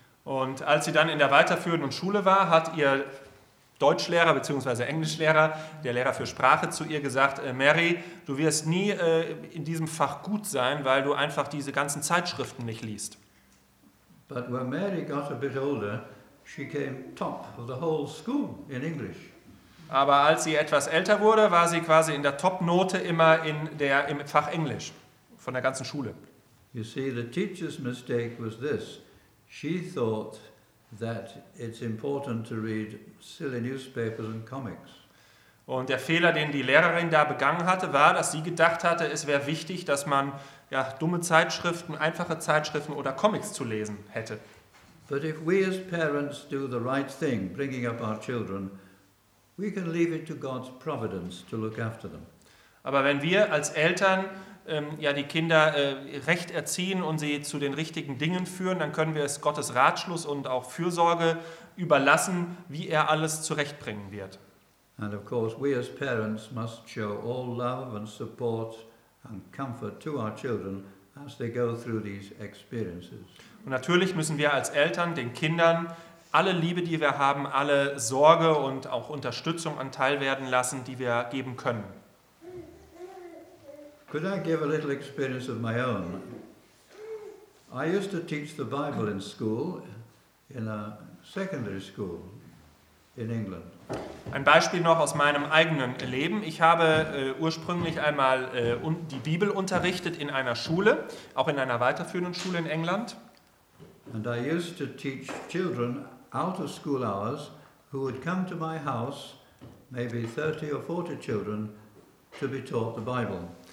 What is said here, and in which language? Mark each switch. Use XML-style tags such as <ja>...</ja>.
<de>Und als sie dann in der weiterführenden Schule war, hat ihr Deutschlehrer bzw. Englischlehrer, der Lehrer für Sprache, zu ihr gesagt, Mary, du wirst nie in diesem Fach gut sein, weil du einfach diese ganzen Zeitschriften nicht liest.</de> <en>But when Mary got a bit older, She came top of the whole school in English.</en> <de>Aber als sie etwas älter wurde, war sie quasi in der Topnote immer in der im Fach Englisch von der ganzen Schule.</de> <en>You see, the teacher's mistake was this. She thought that it's important to read silly newspapers and comics.</en> <de>Und der Fehler, den die Lehrerin da begangen hatte, war, dass sie gedacht hatte, es wäre wichtig, dass man ja, dumme Zeitschriften, einfache Zeitschriften oder Comics zu lesen hätte.</de> <en>But if we as parents do the right thing, bringing up our children, we can leave it to God's providence to look after them.</en> <de>Aber wenn wir als Eltern ja, die Kinder recht erziehen und sie zu den richtigen Dingen führen, dann können wir es Gottes Ratschluss und auch Fürsorge überlassen, wie er alles zurechtbringen wird.</de> <en>And of course we as parents must show all love and support and comfort to our children as they go through these experiences.</en> <de>Und natürlich müssen wir als Eltern den Kindern alle Liebe, die wir haben, alle Sorge und auch Unterstützung anteil werden lassen, die wir geben können.</de> <en>Could I give a little experience of my own? I used to teach the Bible in school, in a secondary school in England.</en> <de>Ein Beispiel noch aus meinem eigenen Leben. Ich habe ursprünglich einmal die Bibel unterrichtet in einer Schule, auch in einer weiterführenden Schule in England.</de> <en>And I used to teach children out of school hours who would come to my house, maybe 30 or 40 children, to be taught the Bible.</en>